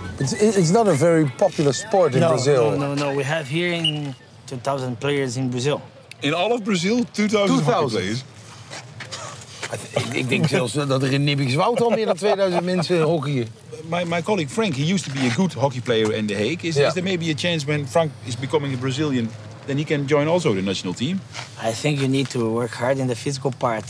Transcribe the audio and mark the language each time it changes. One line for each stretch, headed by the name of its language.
English: It's not a very popular sport in Brazil. No. We have here in 2000 players in Brazil. In all of Brazil, 2000 players?
Dutch: Ik denk zelfs dat er in Nibbikswoud al meer dan 2000 mensen hockeyen.
English: My colleague Frank, he used to be a good hockey player in The Hague. Is there maybe a chance when Frank is becoming a Brazilian, then he can join also the national team? I think you need to work hard in the physical part.